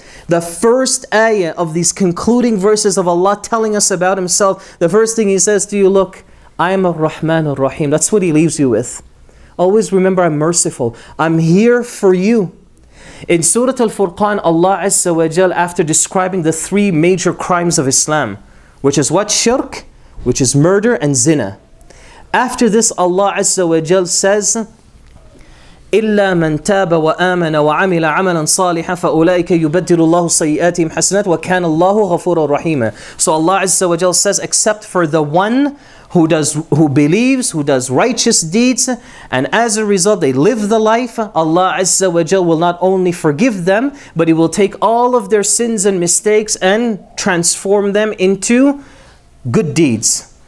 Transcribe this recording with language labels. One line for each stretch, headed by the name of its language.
English: The first ayah of these concluding verses of Allah telling us about Himself, the first thing He says to you, look, I am ar-Rahman ar-Rahim. That's what He leaves you with. Always remember, I'm merciful. I'm here for you. In Surah Al-Furqan, Allah Azza wa Jal, after describing the three major crimes of Islam, which is what? Shirk, which is murder, and zina. After this, Allah Azza wa Jal says,
Arabic: إِلَّا مَنْ تَابَ وَآمَنَ وَعَمِلَ عَمَلًا صَالِحًا فَأُولَٰئِكَ يُبَدِّلُ اللَّهُ سَيِّئَاتِهِمْ حَسَنَاتٍ وَكَانَ اللَّهُ غَفُورًا رَحِيمًا.
English: So Allah Azza wa Jal says, except for the one who believes, who does righteous deeds, and as a result they live the life, Allah Azza wa Jal will not only forgive them, but He will take all of their sins and mistakes and transform them into good deeds.